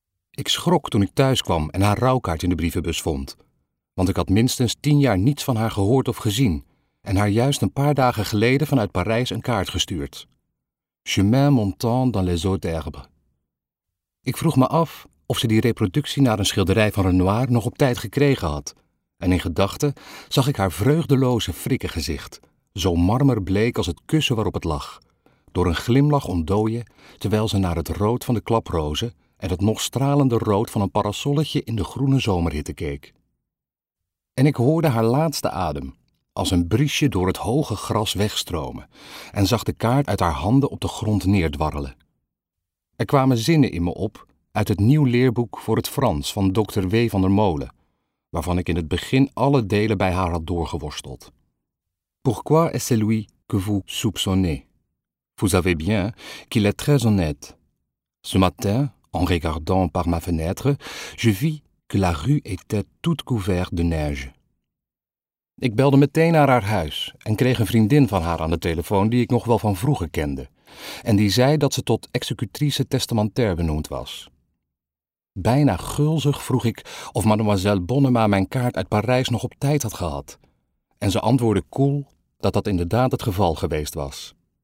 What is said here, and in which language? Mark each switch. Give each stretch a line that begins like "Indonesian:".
Dutch: Ik schrok toen ik thuis kwam en haar rouwkaart in de brievenbus vond. Want ik had minstens 10 jaar niets van haar gehoord of gezien en haar juist een paar dagen geleden vanuit Parijs een kaart gestuurd.
French: Chemin montant dans les eaux d'herbe.
Dutch: Ik vroeg me af of ze die reproductie naar een schilderij van Renoir nog op tijd gekregen had. En in gedachten zag ik haar vreugdeloze frikkengezicht, zo marmerbleek als het kussen waarop het lag, door een glimlach ontdooien terwijl ze naar het rood van de klaprozen en het nog stralende rood van een parasolletje in de groene zomerhitte keek. En ik hoorde haar laatste adem als een briesje door het hoge gras wegstromen en zag de kaart uit haar handen op de grond neerdwarrelen. Er kwamen zinnen in me op uit het nieuw leerboek voor het Frans van Dr. W. van der Molen, waarvan ik in het begin alle delen bij haar had doorgeworsteld.
French: Pourquoi est-ce lui que vous soupçonnez? Vous savez bien qu'il est très honnête. Ce matin, en regardant par ma fenêtre, je vis que la rue était toute couverte de neige.
Dutch: Ik belde meteen naar haar huis en kreeg een vriendin van haar aan de telefoon die ik nog wel van vroeger kende en die zei dat ze tot executrice testamentair benoemd was. Bijna gulzig vroeg ik of mademoiselle Bonnema mijn kaart uit Parijs nog op tijd had gehad en ze antwoordde koel dat dat inderdaad het geval geweest was.